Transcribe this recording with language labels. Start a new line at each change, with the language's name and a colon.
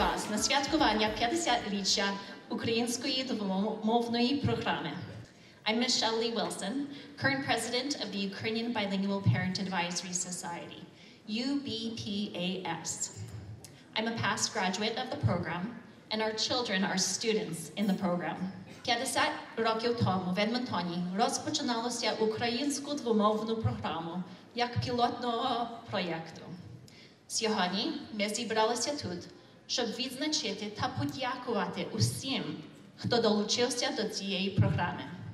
Ukrainian: На святкування 50-річчя української двомовної програми.
English: I'm Michelle Lee Wilson, current president of the Ukrainian Bilingual Parent Advisory Society, UBPAS. I'm a past graduate of the program, and our children are students in the program.
Ukrainian: 50 років тому в Едмонтоні розпочиналося українську двомовну програму як пілотного проєкту. Сьогодні ми зібралися тут, щоб відзначити та подякувати усім, хто долучився до цієї програми.